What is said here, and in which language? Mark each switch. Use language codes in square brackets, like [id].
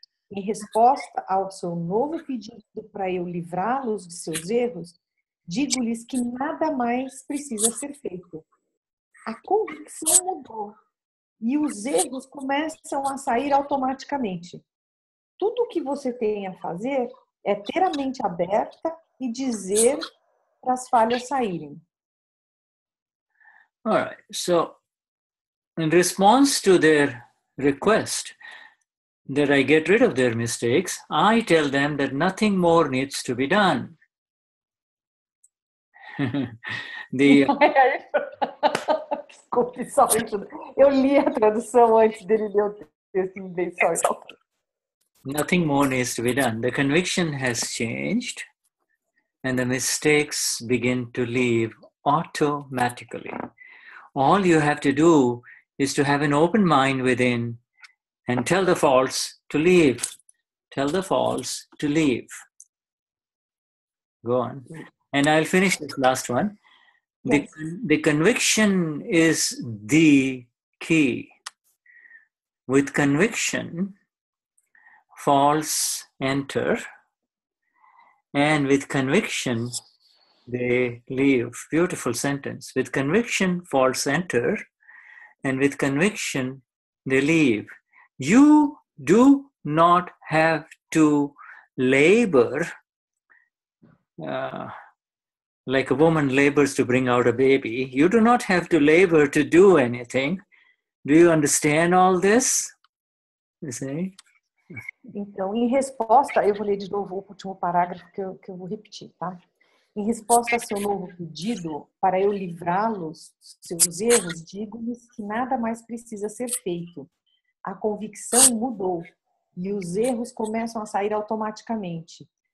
[pt] Em resposta ao seu novo pedido para eu livrá-los de seus erros, digo-lhes que nada mais precisa ser feito. A convicção mudou e os erros começam a sair automaticamente. Tudo o que você tem a fazer é ter a mente aberta e dizer para as falhas saírem. [en] All right, so in response to their request that I get rid of their mistakes, I tell them that nothing more needs to be done. The... [pt] Desculpe, só eu li a tradução antes dele ler o texto em inglês. [en] Nothing more needs to be done. The conviction has changed and the mistakes begin to leave automatically. All you have to do is to have an open mind within and tell the faults to leave. Tell the faults to leave. Go on. And I'll finish this last one. The conviction is the key. With conviction, faults enter. And with conviction, they leave. Beautiful sentence. With conviction, faults enter, and with conviction, they leave. You do not have to labor like a woman labors to bring out a baby. You do not have to labor to do anything. Do you understand all this? You see? [pt] Então, em resposta, eu vou ler de novo o último parágrafo que eu vou repetir, tá? Em resposta ao seu novo pedido, para eu livrá-los dos seus erros, digo-lhes que nada mais precisa ser feito. A convicção mudou e os erros começam a sair automaticamente.